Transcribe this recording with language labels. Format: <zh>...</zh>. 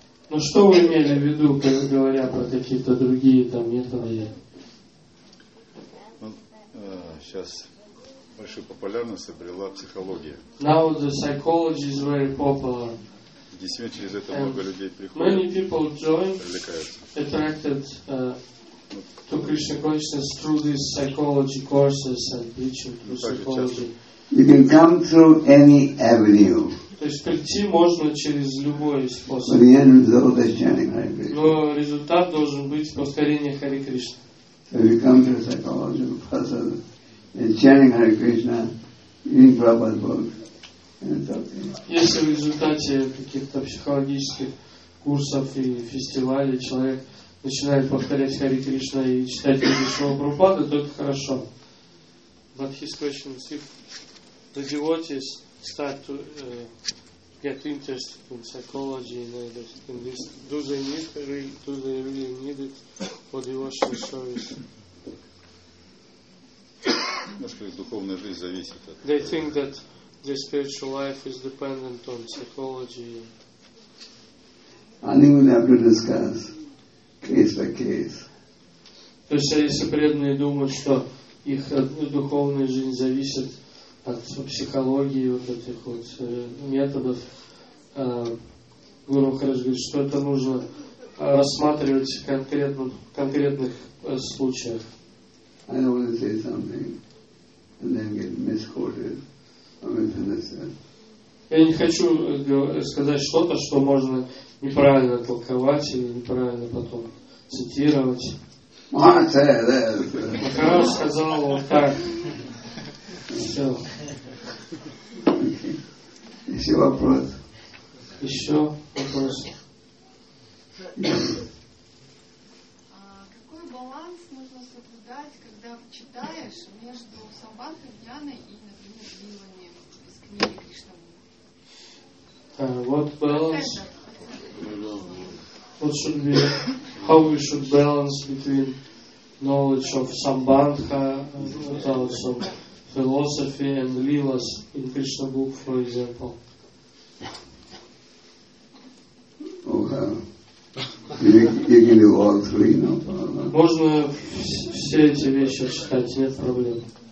<ru>Но что вы имели в виду, когда говоря про какие-то другие там методы? Сейчас большую популярность обрела психология.</ru> <en>Now the psychology is very popular.</en> <ru>Действительно, через это много людей приходит.</ru> <en>Many people join, attracted to Krishna consciousness through these psychology courses and teaching through psychology. You can come through any avenue.</en> <ru>То есть прийти можно через любой способ.</ru> <en>But the end result is chanting Hare Krishna.</en> <ru>Но результат должен быть повторение Харе Кришна.</ru> <en>So you come through psychology because of and chanting Hare Krishna, reading Prabhupada's book, and it's okay.</en> <ru>Если в результате каких-то психологических курсов и фестивалей человек начинает повторять Харе Кришна и читать Кришна Прабхупада, то это хорошо.</ru> <en>But his question is, if the devotees start to get interested in psychology, do they really need it for devotional service?</en> <ru>Может, их духовная жизнь зависит от.</ru> <en>They think that the spiritual life is dependent on psychology. I think we have to discuss case by case.</en> <ru>То есть, если преданные думают, что их духовная жизнь зависит от психологии вот этих вот методов, Гуру Махарадж говорит, что это нужно рассматривать в конкретных случаях.</ru> <en>I don't want to say something and then get misquoted or misunderstood.</en> <ru>Я не хочу сказать что-то, что можно неправильно толковать или неправильно потом цитировать. Махарадж сказал вот так. Все. Еще вопрос. Еще вопрос. Какой баланс нужно соблюдать, когда читаешь между Самбанхой Гьяной и, например, Вилами из книги Кришнамурти? Вот баланс.</ru> <en>What should be, how we should balance between knowledge of Sambandha, but also philosophy and lilas in Krishna book, for example.</en> <ru>Можно все эти вещи читать, нет проблем.</ru>